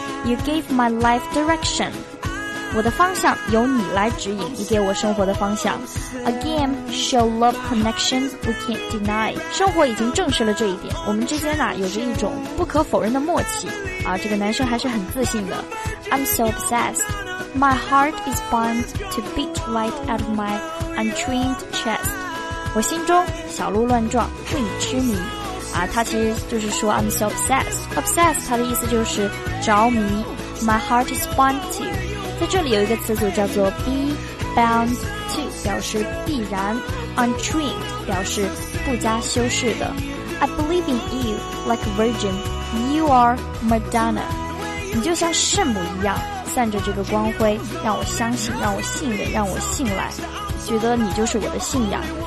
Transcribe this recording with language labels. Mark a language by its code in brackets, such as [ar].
[en] You gave my life direction， [zh] 我的方向由你来指引，你给我生活的方向。 [en] Again show love connection we can't deny， [zh] 生活已经证实了这一点，我们之间啊有着一种不可否认的默契啊。这个男生还是很自信的。 [en] I'm so obsessed my heart is bound to beat right out of myUntrained chest， [zh] 我心中小鹿乱撞，为你痴迷啊。他其实就是说 [en] I'm so obsessed， [zh] 他的意思就是着迷。 [en] My heart is bound to， [zh] 在这里有一个词组叫做 [en] be bound to， [zh] 表示必然。 Untrained 表示不加修饰的。 [en] I believe in you like a virgin you are Madonna， [zh] 你就像圣母一样散着这个光辉，让我相信，让我信任，让我信赖，觉得你就是我的信仰。